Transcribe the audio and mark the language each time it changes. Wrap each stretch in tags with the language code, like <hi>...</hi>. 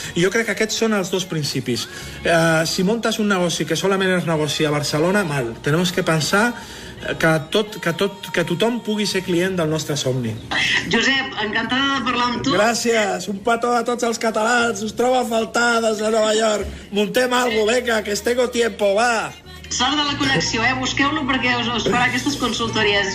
<ca>I jo crec que aquests són els dos principis. Si montes un negoci que solament és negoci a Barcelona, mal.</ca> <es>Tenemos que pensar</es> <ca>que tothom pugui ser client del nostre somni. Josep, encantada de parlar amb tu. Gràcies, un petó a tots els catalans. Us trobo a faltar des de Nova York.</ca> <es>Montem algo, venga, que tengo tiempo, va.</es> <ca>Sort de la connexió, busqueu-lo, perquè us farà aquestes consultories.</ca>